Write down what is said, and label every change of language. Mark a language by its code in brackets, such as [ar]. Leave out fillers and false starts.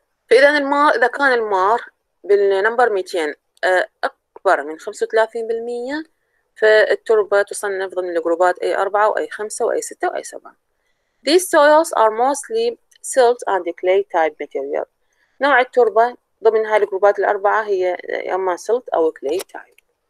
[ar] فإذا المار إذا كان المار بالنمبر 200 أكبر من 35%، فالتربة تصنف ضمن الجروبات A4 وA5 وA6 وA7. [en] These soils are mostly silt and clay type material. [ar] نوع التربة ضمن هاي الجروبات الأربعة هي يا إما silt أو clay type.